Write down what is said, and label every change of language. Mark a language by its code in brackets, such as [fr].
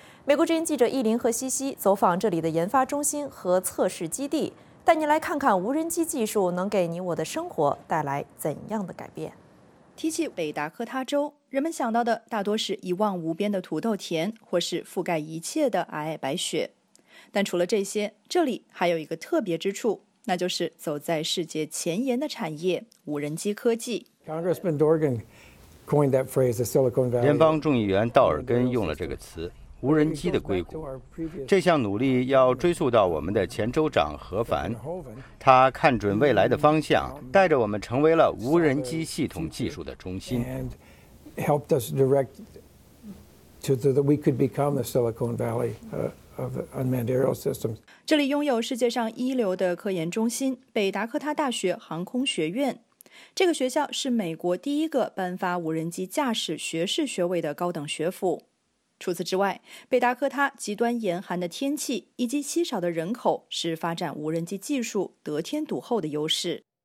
[zh] 美国之音记者易林和西西走访这里的研发中心和测试基地，带您来看看无人机技术能给你我的生活带来怎样的改变。提起北达科他州，人们想到的大多是一望无边的土豆田，或是覆盖一切的皑皑白雪。但除了这些，这里还有一个特别之处，那就是走在世界前沿的产业——无人机科技。 [en] Congressman Dorgan coined that phrase, the Silicon Valley. [zh] 联邦众议员道尔根用了这个词，无人机的硅谷。这项努力要追溯到我们的前州长何凡，他看准未来的方向，带着我们成为了无人机系统技术的中心。 [en] And helped us direct to that we could become the Silicon Valley of unmanned aerial systems. [zh] 这里拥有世界上一流的科研中心——北达科他大学航空学院。这个学校是美国第一个颁发无人机驾驶学士学位的高等学府。除此之外，北达科他极端严寒的天气以及稀少的人口是发展无人机技术得天独厚的优势。